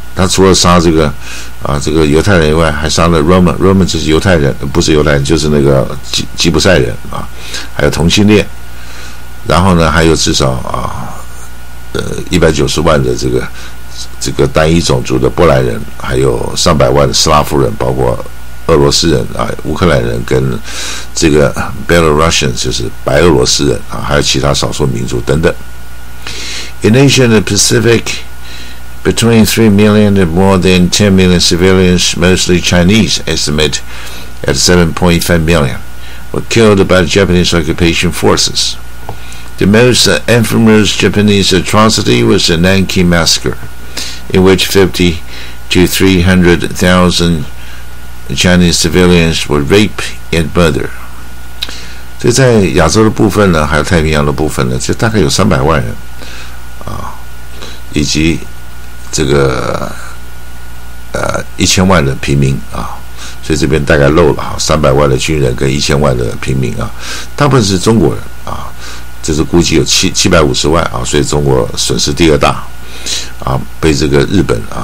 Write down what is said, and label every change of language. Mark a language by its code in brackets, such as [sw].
[zh] 他除了杀这个啊，这个犹太人以外，还杀了 Roman 就是犹太人，不是犹太人，就是那个吉普赛人啊，还有同性恋，然后呢，还有至少啊，190万的这个单一种族的波兰人，还有300万的斯拉夫人，包括俄罗斯人啊、乌克兰人跟这个 Belarusian 就是白俄罗斯人啊，还有其他少数民族等等。 [en] In Asia and the Pacific, between 3 million and more than 10 million civilians, mostly Chinese, estimate at 7.5 million, were killed by the Japanese occupation forces. The most infamous Japanese atrocity was the Nanki massacre. In which 50 to 300,000 Chinese civilians were raped and murdered. [zh] 这在亚洲的部分呢，还有太平洋的部分呢，就大概有300万人啊，以及这个1000万的平民啊，所以这边大概漏了哈，300万的军人跟1000万的平民啊，大部分是中国人啊，这是估计有750万啊，所以中国损失第二大啊，被这个日本